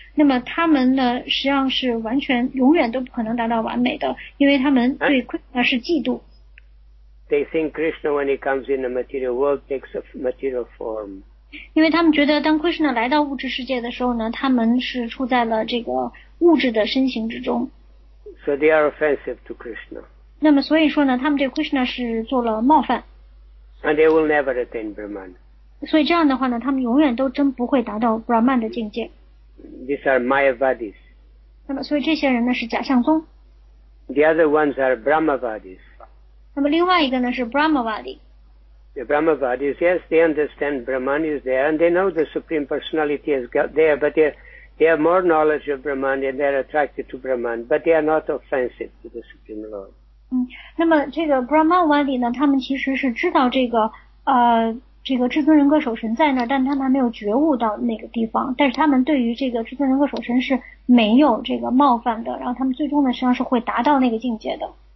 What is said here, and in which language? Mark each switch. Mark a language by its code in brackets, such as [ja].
[zh] 那么他们呢，实际上是完全永远都不可能达到完美的，因为他们对 Krishna 是嫉妒。 [en] They think Krishna when he comes in the material world takes a material form. [zh] 因为他们觉得当 Krishna 来到物质世界的时候呢，他们是处在了这个物质的身形之中。 [en] So they are offensive to Krishna. [zh] 那么所以说呢，他们对 Krishna 是做了冒犯。 [en] And they will never attain Brahman. [zh] 所以这样的话呢，他们永远都真不会达到 Brahman 的境界。 [en] These are Mayavadis. [zh] 那么所以这些人呢是假象宗。 [en] The other ones are Brahmavadis. [zh] 那么另外一个呢是 Brahmavadi。 [en] The Brahmavadis, yes, they understand Brahman is there and they know the Supreme Personality is there, but they have more knowledge of Brahman and they are attracted to Brahman, but they are not offensive to the Supreme Lord. [zh] 嗯、那么这个 Brahmavadi 呢，他们其实是知道这个这个至尊人格守神在那，但他们还没有觉悟到那个地方，但是他们对于这个至尊人格守神是没有这个冒犯的，然后他们最终呢实际上是会达到那个境界的。